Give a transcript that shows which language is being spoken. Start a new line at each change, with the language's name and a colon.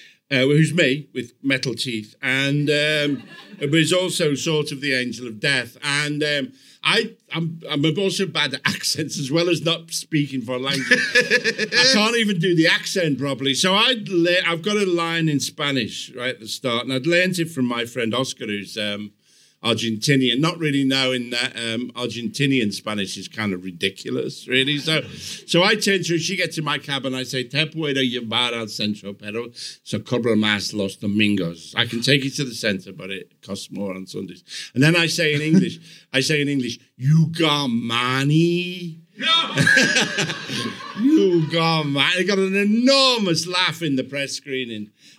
English: Who's me with metal teeth, and but he's also sort of the Angel of Death, and I'm also bad at accents as well as not speaking foreign language. I can't even do the accent properly. So I've got a line in Spanish right at the start, and I'd learned it from my friend Oscar, who's Argentinian. Not really knowing that Argentinian Spanish is kind of ridiculous, really. So I turn to her, she gets in my cab, and I say,
Spanish: "Te puedo llevar al centro, pero se cobra más los domingos."
English: I can take you to the center, but it costs more on Sundays. And then I say in English, "You got money? No, you got money." I got an enormous laugh in the press screening.